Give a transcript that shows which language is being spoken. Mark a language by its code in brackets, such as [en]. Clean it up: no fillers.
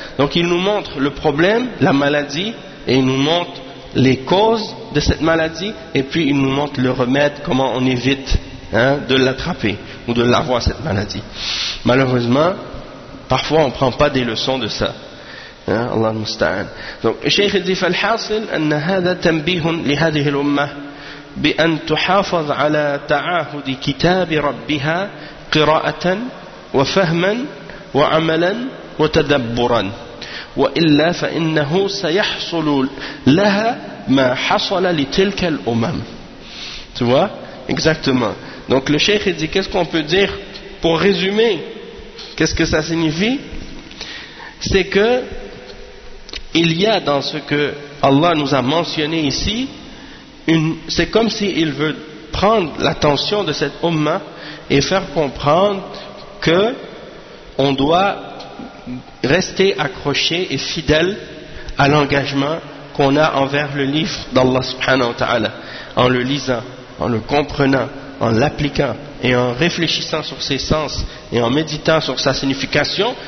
[fr] Donc il nous montre le problème, la maladie, et il nous montre les causes de cette maladie, et puis il nous montre le remède, comment on évite de l'attraper ou de l'avoir, cette maladie. Malheureusement, parfois on ne prend pas des leçons de ça. [ar] Allah musta'an. [fr] Donc Cheikh dit, [ar] فالحاصل أن هذا تنبيه لهذه الأمة بأن تحافظ على تعاهد كتاب ربها قراءة وفهما وعملا وتدبرا وإلا فإنه سيحصل لها ما حصل لتلك الأمم. [fr] Tu vois? Exactement. Donc le Cheikh dit, qu'est-ce qu'on peut dire pour résumer? Qu'est-ce que ça signifie? C'est que il y a dans ce que Allah nous a mentionné ici, c'est comme s'il veut prendre l'attention de cette Ummah et faire comprendre que on doit rester accroché et fidèle à l'engagement qu'on a envers le livre d'Allah subhanahu wa ta'ala, en le lisant, en le comprenant, en l'appliquant et en réfléchissant sur ses sens et en méditant sur sa signification.